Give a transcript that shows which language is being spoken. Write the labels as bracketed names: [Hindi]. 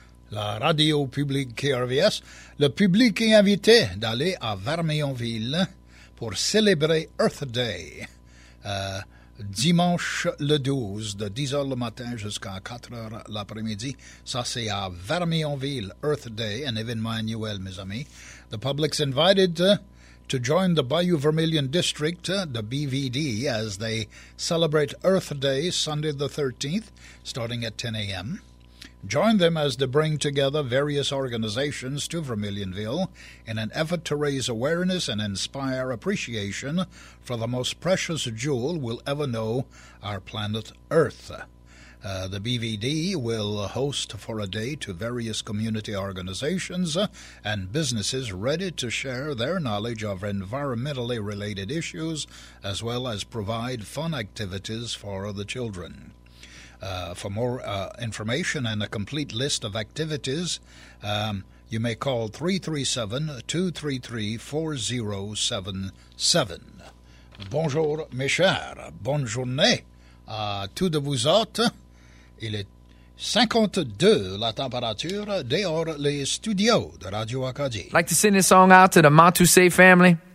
[French] La radio publique KRVS, le public est invité d'aller à Vermillonville pour célébrer Earth Day. Dimanche le 12, de 10h le matin jusqu'à 4h l'après-midi. Ça, c'est à Vermillonville, Earth Day, un événement annuel, mes amis. [English] The public's invited to join the Bayou Vermilion District, the BVD, as they celebrate Earth Day, Sunday the 13th, starting at 10 a.m. Join them as they bring together various organizations to Vermilionville in an effort to raise awareness and inspire appreciation for the most precious jewel we'll ever know, our planet Earth. The BVD will host for a day to various community organizations and businesses ready to share their knowledge of environmentally related issues as well as provide fun activities for the children. For more information and a complete list of activities, you may call 337-233-4077. [French] Bonjour, mes chers. Bonne journée à tous de vous autres. Il est 52, la température, dehors les studios de Radio Acadie. [English] I'd like to send this song out to the Matoussé family.